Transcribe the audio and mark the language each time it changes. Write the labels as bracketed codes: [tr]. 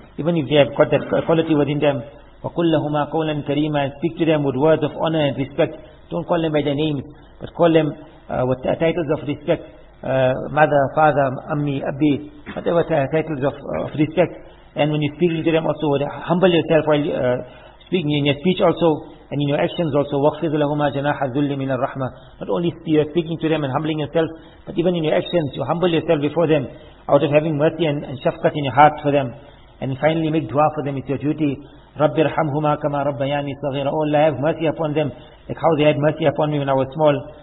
[en] Even if they have got that quality within them. [ar] وَقُلْ لَهُمَا قَوْلًا كَرِيمًا [en] And speak to them with words of honor and respect. Don't call them by their names, but call them with titles of respect. Mother, father, ammi, abbi, whatever titles of respect. And when you speak to them also, humble yourself while speaking in your speech also. and in your actions also, [ar] وَخْفِضْ لَهُمَا جَنَاحَ الذُّلِّ مِنَ الرَّحْمَةِ. [en] Not only you're speaking to them and humbling yourself, but even in your actions, you humble yourself before them, out of having mercy and shafqat in your heart for them. And finally, make dua for them, it's your duty. [ar] رَبِّ ارْحَمْهُمَا كَمَا رَبَّيَانِي صَغِيرًا. [en] Oh Allah, have mercy upon them, like how they had mercy upon me when I was small.